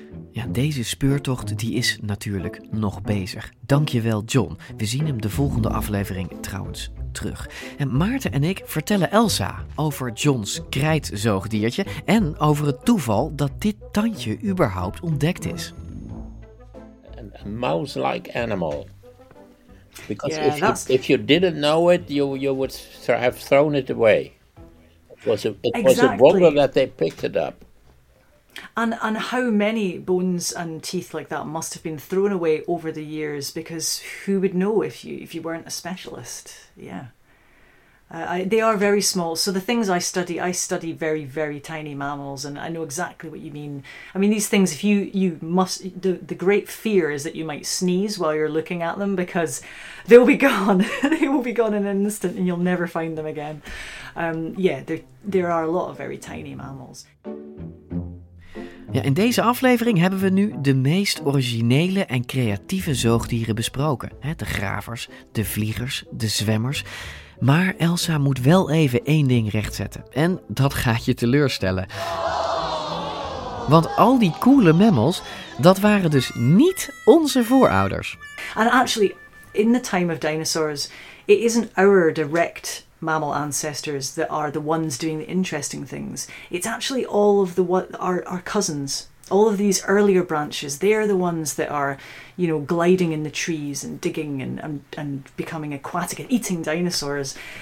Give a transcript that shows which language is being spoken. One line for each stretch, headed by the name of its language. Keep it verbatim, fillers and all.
Dutch: Ja, deze speurtocht die is natuurlijk nog bezig. Dankjewel John. We zien hem de volgende aflevering trouwens terug. En Maarten en ik vertellen Elsa over Johns krijtzoogdiertje en over het toeval dat dit tandje überhaupt ontdekt is.
English: A mouse-like animal. Because yeah, if, you, if you didn't know it, you, you would have thrown it away. It was a, it exactly. was a wonder that they picked it up. And and how many bones and teeth like that must have been thrown away over the years? Because who would know if you if you weren't a specialist? Yeah, uh, I, they are very small. So the things I study, I study very very tiny mammals, and I know exactly what you mean. I mean these things. If you you must the the great fear is that you might sneeze while you're looking at them because they'll be gone. They will be gone in an instant, and you'll never find them again. Um, yeah, there there are a lot of very tiny mammals.
Dutch: Ja, in deze aflevering hebben we nu de meest originele en creatieve zoogdieren besproken. De gravers, de vliegers, de zwemmers. Maar Elsa moet wel even één ding rechtzetten. En dat gaat je teleurstellen. Want al die coole mammals, dat waren dus niet onze voorouders.
English: And actually, in the time of dinosaurs, it isn't our direct mammal ancestors that are the ones doing the interesting things. It's actually all of the what our, our cousins, all of these earlier branches, they're the ones that are, you know, gliding in the trees and digging and, and, and becoming aquatic and eating dinosaurs.